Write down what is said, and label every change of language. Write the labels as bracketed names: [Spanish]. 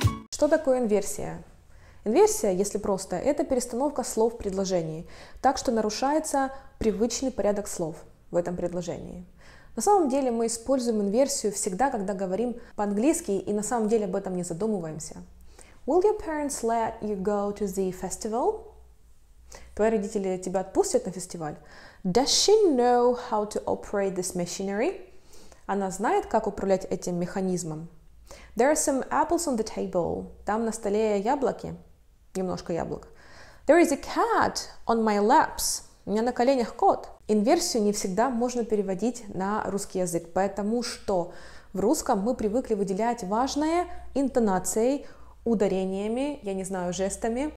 [Russian] Что такое инверсия? Инверсия, если просто, это перестановка слов в предложении, так что нарушается привычный порядок слов в этом предложении. На самом деле мы используем инверсию всегда, когда говорим по-английски и на самом деле об этом не задумываемся. [English] Will your parents let you go to the festival? [Russian] Твои родители тебя отпустят на фестиваль? [English] Does she know how to operate this machinery? [Russian] Она знает, как управлять этим механизмом? [English] There are some apples on the table. [Russian] Там на столе яблоки. Немножко яблок. [English] There is a cat on my laps. [Russian] У меня на коленях кот. Инверсию не всегда можно переводить на русский язык, потому что в русском мы привыкли выделять важное интонацией, ударениями, я не знаю, жестами.